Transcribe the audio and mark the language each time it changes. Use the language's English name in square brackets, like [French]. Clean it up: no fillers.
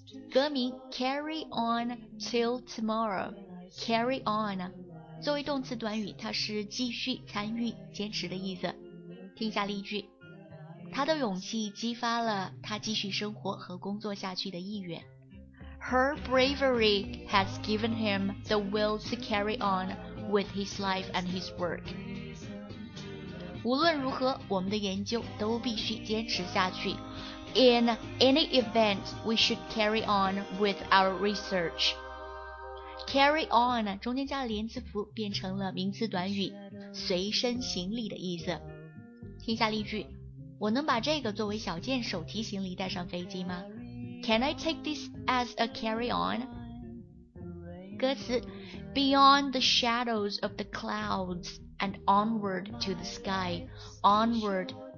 [Chinese] 歌名 Carry on till tomorrow， Carry on 作为动词短语，它是继续、参与、坚持的意思。听一下例句，她的勇气激发了她继续生活和工作下去的意愿。 [English] Her bravery has given him the will to carry on with his life and his work。 [Chinese] 无论如何，我们的研究都必须坚持下去。 [English] In any event, we should carry on with our research. [Chinese] Carry on 中间加了连字符，变成了名词短语，随身行李的意思。听下例句，我能把这个作为小件手提行李带上飞机吗？ [English] Can I take this as a carry on? 歌词 Beyond the shadows of the clouds and onward to the sky, onward.